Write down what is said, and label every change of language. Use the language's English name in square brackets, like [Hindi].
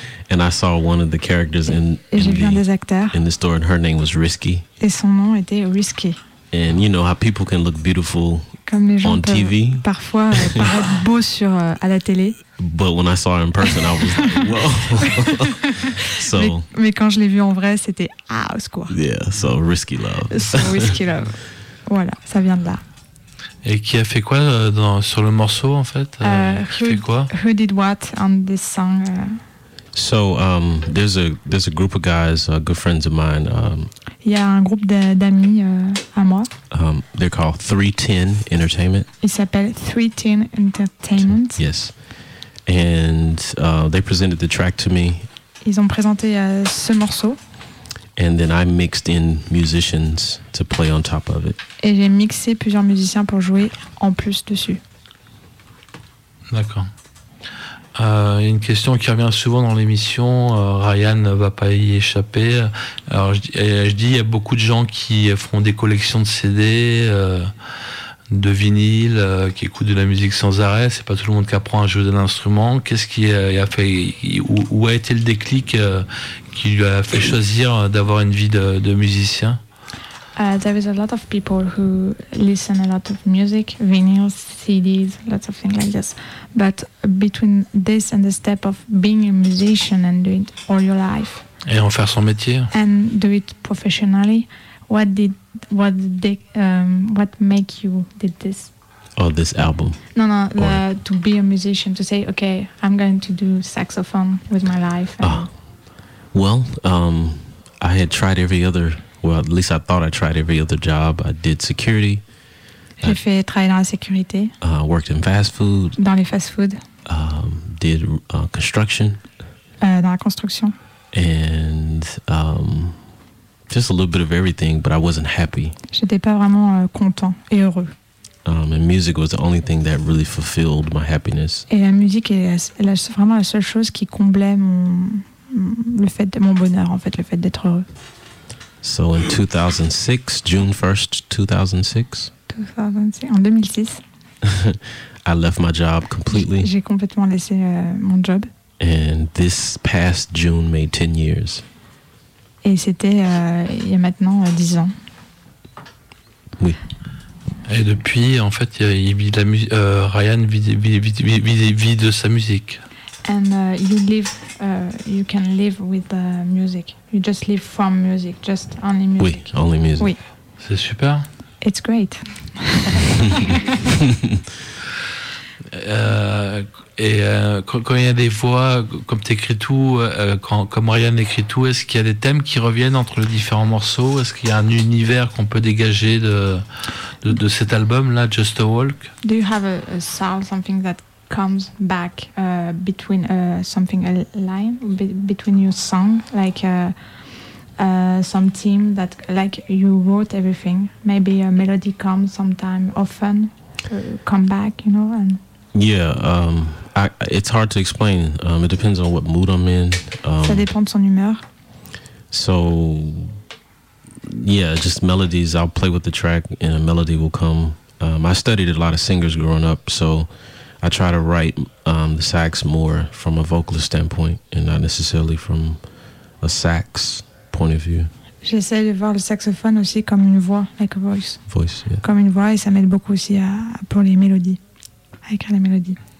[English] And I saw one of the characters in the store, and her name was Risky. [French] Et son nom était Risky. [English] And you know how people can look beautiful [French] comme les gens [English] on TV. [French] Parfois, paraître beau sur à la télé. [English] But when I saw her in person, I was like, whoa. So. [French] Mais quand je l'ai vu en vrai, c'était house quoi. [English] Yeah, so Risky Love. [French] So Risky Love. Voilà, ça vient de là. Et qui a fait quoi sur le morceau en fait? [English] Who did what on this song? So there's a group of guys, good friends of mine. [French] Il y a un groupe d'amis à moi. [English] They're called 310 Entertainment. [French] Ils s'appellent 310 Entertainment. [English] Yes. And they presented the track to me. [French] Ils ont présenté ce morceau. [English] And then I mixed in musicians to play on top of it. [French] Et j'ai mixé plusieurs musiciens pour jouer en plus dessus. D'accord. Une question qui revient souvent dans l'émission, Ryan ne va pas y échapper. Alors je dis, il y a beaucoup de gens qui font des collections de CD, de vinyle, qui écoutent de la musique sans arrêt. C'est pas tout le monde qui apprend à jouer d'un instrument. Qu'est-ce qui a fait, où a été le déclic qui lui a fait choisir d'avoir une vie de musicien? [English] There is a lot of people who listen a lot of music, vinyls, CDs, lots of things like this. But between this and the step of being a musician and doing it all your life, [French] et en faire son métier, [English] and do it professionally, what make you did this? Oh, this album. No, to be a musician, to say, okay, I'm going to do saxophone with my life. I had tried every other. Well, at least I thought I tried every other job. I did security. [French] J'ai fait travailler dans la sécurité. [English] Worked in fast food. [French] Dans les fast food. [English] Did construction. [French] Dans la construction. [English] And just a little bit of everything, but I wasn't happy. [French] J'étais pas vraiment content et heureux. [English] And music was the only thing that really fulfilled my happiness. [French] Et la musique est vraiment la seule chose qui comblait mon bonheur, en fait, le fait d'être heureux. [English] So in 2006, June 1st, 2006. [French] 2006, en 2006. [English] I left my job completely. [French] J'ai complètement laissé mon job. [English] And this past June made 10 years. [French] Et c'était il y a maintenant 10 ans. Oui. Et depuis, en fait, Ryan vit de sa musique. [English] And you can live with music. You just live from music, just only music. Oui, only music. [French] Oui. C'est super. [English] It's great. [French] quand il y a des voix, comme tu écris tout, comme Ryan écrit tout, est-ce qu'il y a des thèmes qui reviennent entre les différents morceaux? Est-ce qu'il y a un univers qu'on peut dégager de cet album-là, Just a Walk? [English] Do you have a sound, something that comes back between something a line between your song, like some theme that like you wrote everything, maybe a melody comes sometime often come back, you know? And It's hard to explain. It depends on what mood I'm in. [French] Ça dépend de son humeur. [English] So yeah, just melodies, I'll play with the track and a melody will come. I studied a lot of singers growing up, so I try to write the sax more from a vocalist standpoint and not necessarily from a sax point of view. [French] J'essaie de voir le saxophone aussi comme une voix, [English] like a voice. Voice, yeah. [French] Comme une voix, et ça m'aide beaucoup aussi pour les mélodies, à écrire les mélodies.